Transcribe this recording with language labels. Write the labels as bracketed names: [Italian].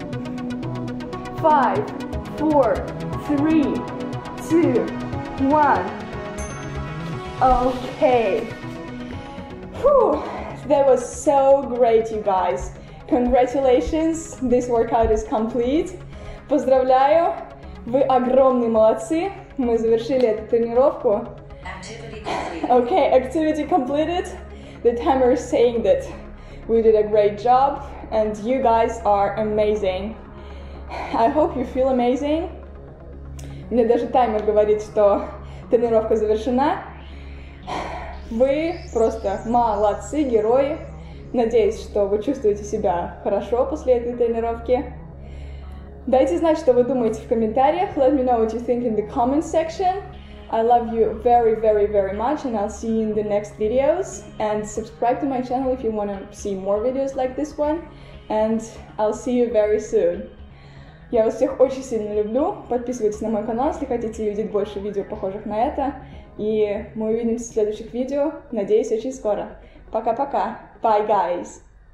[English] 5, 4, 3, 2, 1. Okay. Whew, that was so great, you guys. Congratulations, this workout is complete. [Russian] Поздравляю, вы огромные молодцы. Мы завершили эту тренировку. [English] Okay, activity completed. The timer is saying that we did a great job and you guys are amazing. I hope you feel amazing. [Russian] Мне даже таймер говорит, что тренировка завершена. Вы просто молодцы, герои. Надеюсь, что вы чувствуете себя хорошо после этой тренировки. Дайте знать, что вы думаете в комментариях. [English] Let me know what you think in the comment section. I love you very, very, very much, and I'll see you in the next videos. And subscribe to my channel if you want to see more videos like this one. And I'll see you very soon. [Russian] Я вас всех очень сильно люблю. Подписывайтесь на мой канал, если хотите увидеть больше видео, похожих на это. И мы увидимся в следующих видео. Надеюсь, очень скоро. Пока-пока. [English] Bye, guys.